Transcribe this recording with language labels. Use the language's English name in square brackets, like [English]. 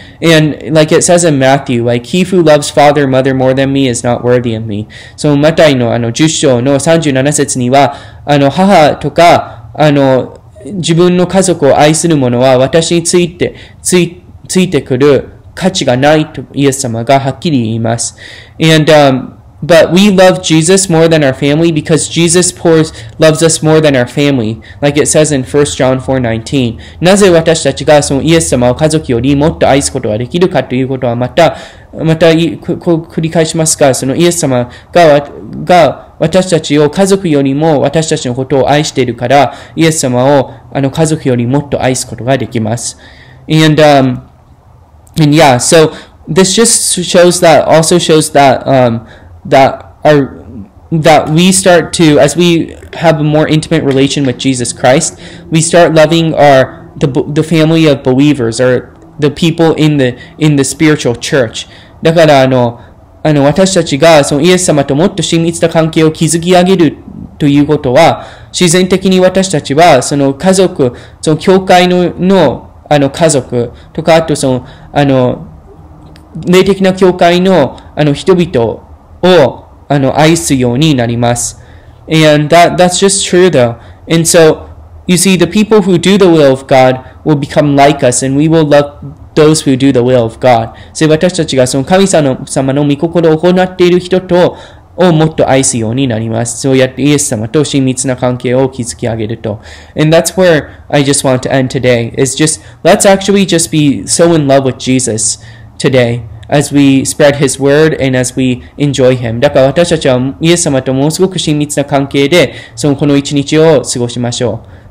[English] And like it says in Matthew, like, he who loves father, mother more than me is not worthy of me. [Japanese] So, マタイのあの10章の37節には、あの母とか、あの、自分の家族を愛する者は私について、ついてくる価値がないとイエス様がはっきり言います。 [English] And, but we love Jesus more than our family because Jesus loves us more than our family. Like it says in 1 John 4:19. [Japanese] なぜ私たちがそのイエス様を家族よりもっと愛すことができるかということはまた繰り返しますが、そのイエス様が私たちを家族よりも私たちのことを愛しているから、イエス様をあの家族よりもっと愛すことができます。 [English] And, and yeah, so this just shows that, also shows that, that we start to, as we have a more intimate relation with Jesus Christ, we start loving the family of believers or the people in the spiritual church. [Japanese] だからあの私たちがそのイエス様ともっと親密な関係を築き上げるということは、自然的に私たちはその家族、その教会のあの家族とか、あとその、あの、霊的な教会の、あの人々を、あの、愛すようになります。 [English] And that's just true though. And so, you see, the people who do the will of God will become like us, and we will love those who do the will of God. [Japanese] そういう私たちがその神様の御心を行っている人とをもっと愛すようになります。そうやってイエス様と親密な関係を築き上げると。 [English] And that's where I just want to end today. It's just, let's actually just be so in love with Jesus today as we spread his word and as we enjoy him. [Japanese] だから私たちはイエス様とものすごく親密な関係で、そのこの一日を過ごしましょう。